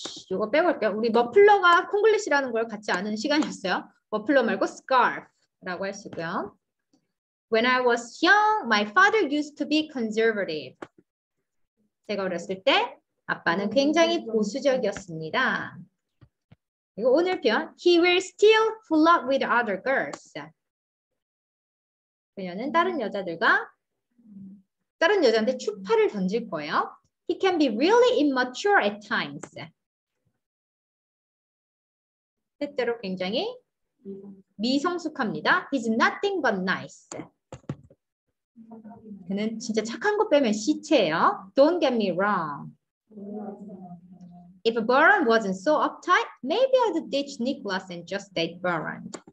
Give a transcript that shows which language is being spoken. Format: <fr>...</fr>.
<ko>이거 빼볼게요. 우리 머플러가 콩글리시라는 걸 같이 아는 시간이었어요. 머플러 말고 scarf라고 할 수 있고요.</ko> <en>When I was young, my father used to be conservative.</en> <ko>제가 어렸을 때 아빠는 굉장히 보수적이었습니다. 이거 오늘 표현.</ko> <en>He will still fool up with other girls.</en> <ko>그녀는 다른 여자한테 추파를 던질 거예요.</ko> <en>He can be really immature at times.</en> <ko>때때로 굉장히 미성숙합니다.</ko> <en>He's nothing but nice.</en> <ko>그는 진짜 착한 거 빼면 시체예요.</ko> <en>Don't get me wrong. If Baron wasn't so uptight, maybe I'd ditch Nicholas and just date Baron.</en>